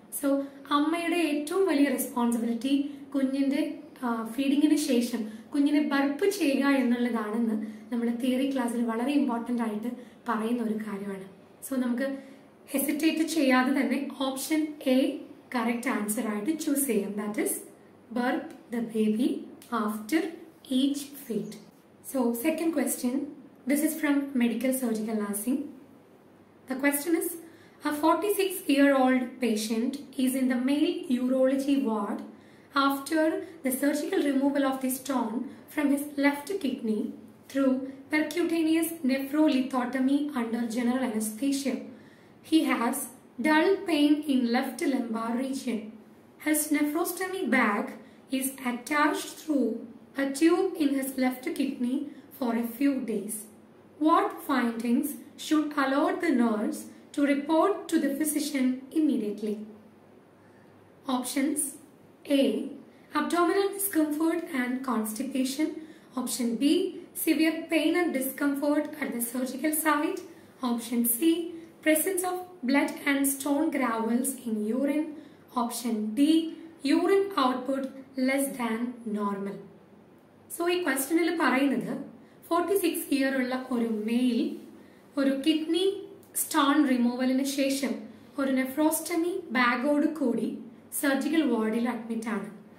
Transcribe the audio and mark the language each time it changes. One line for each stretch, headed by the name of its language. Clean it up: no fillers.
Malayalam: So അമ്മയുടെ ഏറ്റവും വലിയ റെസ്പോൺസിബിലിറ്റി കുഞ്ഞിൻ്റെ ഫീഡിങ്ങിന് ശേഷം കുഞ്ഞിനെ ബർപ്പ് ചെയ്യുക എന്നുള്ളതാണെന്ന് നമ്മുടെ തിയറി ക്ലാസ്സിൽ വളരെ ഇമ്പോർട്ടൻ്റ് ആയിട്ട് പറയുന്ന ഒരു കാര്യമാണ്. സോ നമുക്ക് ഹെസിറ്റേറ്റ് ചെയ്യാതെ തന്നെ ഓപ്ഷൻ എ കറക്റ്റ് ആൻസർ ആയിട്ട് ചൂസ് ചെയ്യാം.
English: That is burp the baby after each feed. So second question, this is from medical surgical nursing. The question is A 46-year-old patient is in the male urology ward after the surgical removal of the stone from his left kidney through percutaneous nephrolithotomy under general anesthesia. He has dull pain in left lumbar region. His nephrostomy bag is attached through a tube in his left kidney for a few days. What findings should alert the nurse to report to the physician immediately? Options A, abdominal discomfort and constipation. Option B, severe pain and discomfort at the surgical site. Option C, presence of blood and stone gravels in urine. Option D, urine output less than normal.
Malayalam: So ee question il parayunnathu 46 year ulla oru male oru kidney stone റിമൂവലിന് ശേഷം ഒരു നെഫ്രോസ്റ്റമി ബാഗോട് കൂടി surgical വാർഡിൽ admit ആണ്.